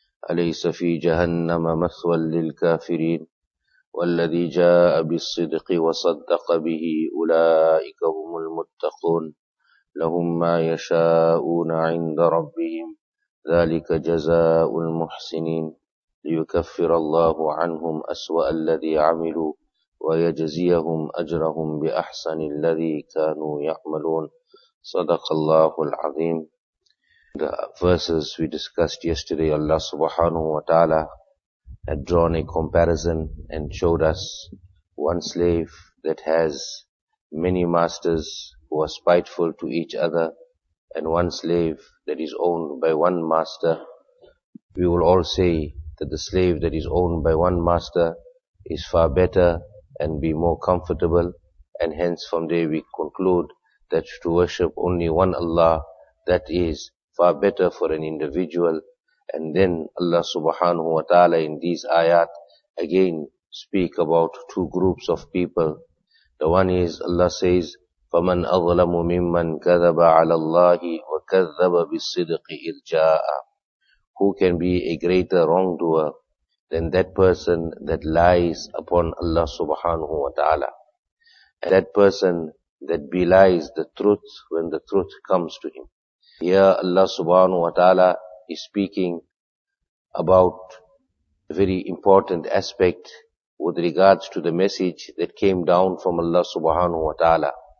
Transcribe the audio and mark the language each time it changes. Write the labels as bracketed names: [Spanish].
[Arabic] أليس في جهنم مثوى للكافرين والذي جاء بالصدق وصدق به أولئك هم المتقون لهم ما يشاءون عند ربهم ذلك جزاء المحسنين ليكفر الله عنهم أسوأ الذي عملوا ويجزيهم أجرهم بأحسن الذي كانوا يعملون صدق الله العظيم. [English] The verses we discussed yesterday, Allah subhanahu wa ta'ala had drawn a comparison and showed us one slave that has many masters who are spiteful to each other and one slave that is owned by one master. We will all say that the slave that is owned by one master is far better and be more comfortable, and hence from there we conclude that to worship only one Allah, that is far better for an individual. And then Allah subhanahu wa ta'ala in these ayat again speak about two groups of people. The one is, Allah says, [Arabic] فَمَنْ أَظْلَمُ مِمَّنْ كَذَبَ عَلَى اللَّهِ وَكَذَّبَ بِالصِّدِقِ إِذْ جَاءَ. [English] Who can be a greater wrongdoer than that person that lies upon Allah subhanahu wa ta'ala? And that person that belies the truth when the truth comes to him. Here Allah subhanahu wa ta'ala is speaking about a very important aspect with regards to the message that came down from Allah subhanahu wa ta'ala.